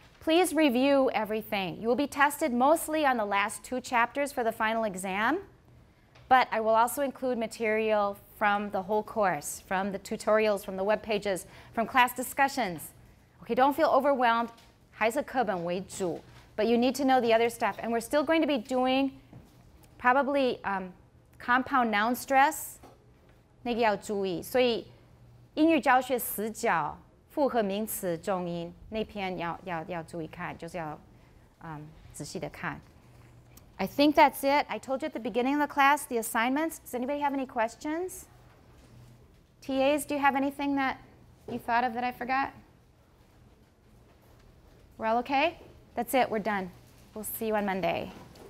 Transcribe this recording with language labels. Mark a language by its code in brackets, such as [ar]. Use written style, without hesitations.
[en] Please review everything. You will be tested mostly on the last two chapters for the final exam, but I will also include material from the whole course, from the tutorials, from the web pages, from class discussions. Okay, don't feel overwhelmed. [zh] 还是课本为主, [en] but you need to know the other stuff. And we're still going to be doing probably compound noun stress. [zh] 那个要注意. 所以英语教学死角, 复合名词重音, 那篇要注意看, 就是要仔细的看. [en] I think that's it. I told you at the beginning of the class, the assignments. Does anybody have any questions? TAs, do you have anything that you thought of that I forgot? We're all okay? That's it. We're done. We'll see you on Monday.